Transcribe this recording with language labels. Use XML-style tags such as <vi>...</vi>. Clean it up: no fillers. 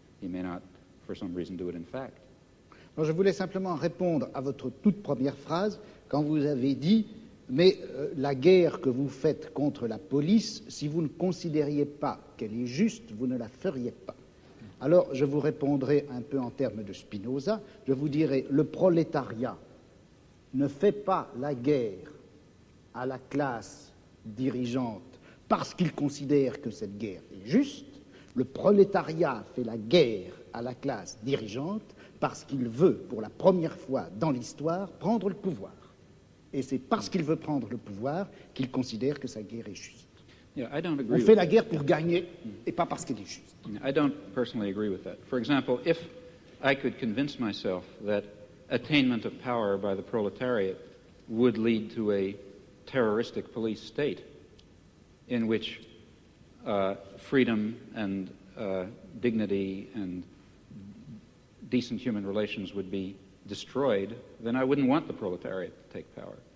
<en>He may not, for some reason, do it in fact.</en> <fr>Non, je voulais simplement répondre à votre toute première phrase quand vous avez dit, mais la guerre que vous faites contre la police, si vous ne considériez pas qu'elle est juste, vous ne la feriez pas. Alors, je vous répondrai un peu en termes de Spinoza. Je vous dirai, le prolétariat ne fait pas la guerre à la classe dirigeante parce qu'il considère que cette guerre est juste. Le prolétariat fait la guerre à la classe dirigeante parce qu'il veut, pour la première fois dans l'histoire, prendre le pouvoir. Et c'est parce qu'il veut prendre le pouvoir qu'il considère que sa guerre est juste.</fr> <en>Yeah, I don't agree.</en> <fr>On fait la guerre pour gagner et pas parce qu'elle est juste.</fr> <en>I don't personally agree with that. For example, if I could convince myself that attainment of power by the proletariat would lead to a terroristic police state in which freedom and dignity and decent human relations would be destroyed, then I wouldn't want the proletariat to take power.</en>